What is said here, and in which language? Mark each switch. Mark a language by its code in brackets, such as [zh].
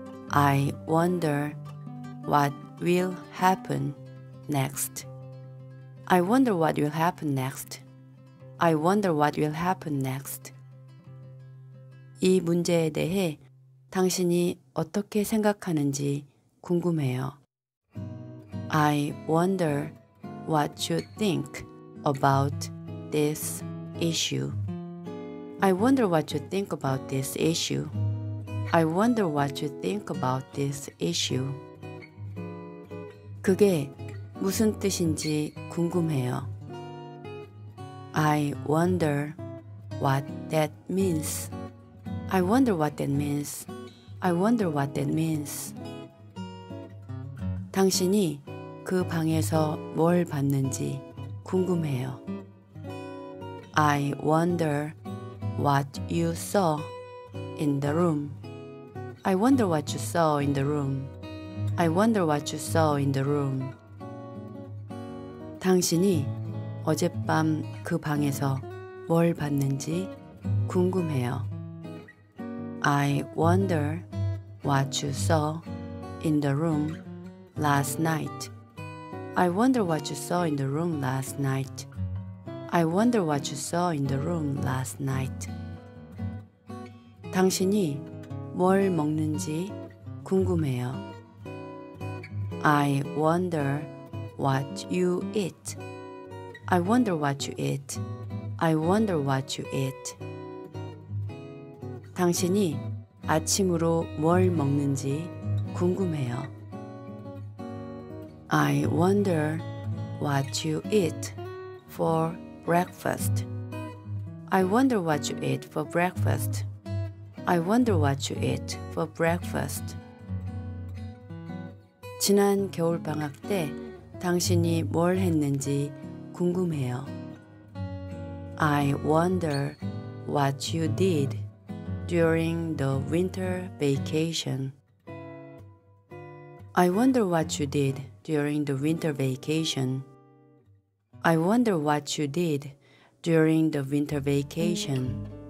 [en] I wonder what will happen next. I wonder what will happen next. I wonder what will happen next. [ko] 이 문제에 대해 당신이 어떻게 생각하는지 궁금해요. [en] I wonder what you think about this issue. I wonder what you think about this issue. I wonder what you think about this issue. [ko] 그게 무슨 뜻인지 궁금해요. [en] I wonder what that means. I wonder what that means. I wonder what that means. [ko] 당신이 그 방에서 뭘 봤는지 궁금해요. [en] I wonder what you saw in the room. I wonder what you saw in the room. I wonder what you saw in the room. [ko] 당신이 어젯밤 그 방에서 뭘 봤는지 궁금해요. [en] I wonder what you saw in the room last night. I wonder what you saw in the room last night. I wonder what you saw in the room last night. [ko] 당신이 뭘 먹는지 궁금해요. [en] I wonder what you eat. I wonder what you eat. I wonder what you eat. [ko] 당신이 아침으로 뭘 먹는지 궁금해요. [en] I wonder what you eat for breakfast. I wonder what you eat for breakfast. I wonder what you eat for breakfast. [ko] 지난 겨울 방학 때 당신이 뭘 했는지 궁금해요. [en] I wonder what you did during the winter vacation. I wonder what you did during the winter vacation. I wonder what you did during the winter vacation.